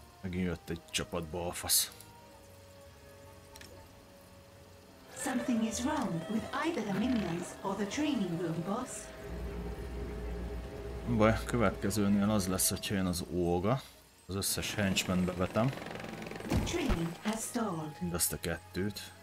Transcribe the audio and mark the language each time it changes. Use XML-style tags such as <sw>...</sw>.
<hu>Jött egy csapat balfasz.</hu> <en>Something is wrong with either the minions or the training room, boss.</en> <hu>Baj, következőnél az lesz, hogyha én az Olga, az összes henchman bevetem.</hu> <en>The training has stalled.</en> <hu>Mindezt a kettőt.</hu>